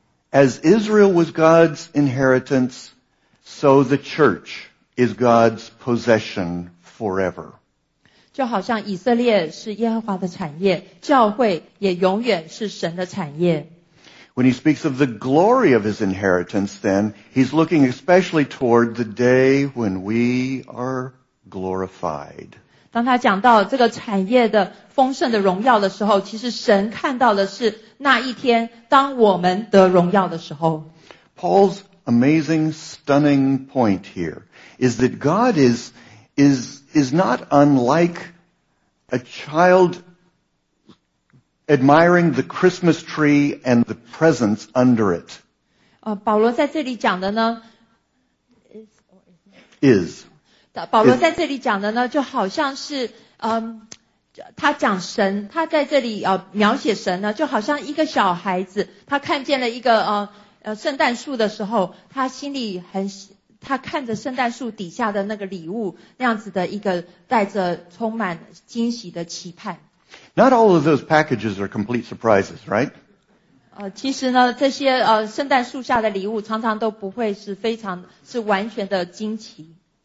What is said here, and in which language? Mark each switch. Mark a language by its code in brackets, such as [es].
[en] As Israel was God's inheritance, so the church is God's possession forever. [zh] 就好像以色列是耶和华的产业，教会也永远是神的产业。 [en] When he speaks of the glory of his inheritance, then he's looking especially toward the day when we areglorified. [zh] 当他讲到这个产业的丰盛的荣耀的时候，其实神看到的是那一天当我们得荣耀的时候。 [en] Paul's amazing, stunning point here is that God is not unlike a child admiring the Christmas tree and the presents under it. [zh] 保罗在这里讲的呢 [en] is [zh] 保罗在这里讲的呢，就好像是，他讲神，他在这里描写神呢，就好像一个小孩子，他看见了一个圣诞树的时候，他心里他看着圣诞树底下的那个礼物，那样子的一个带着充满惊喜的期盼。 [en] Not all of those packages are complete surprises, right? [zh] 其实呢，这些圣诞树下的礼物常常都不会是非常是完全的惊奇。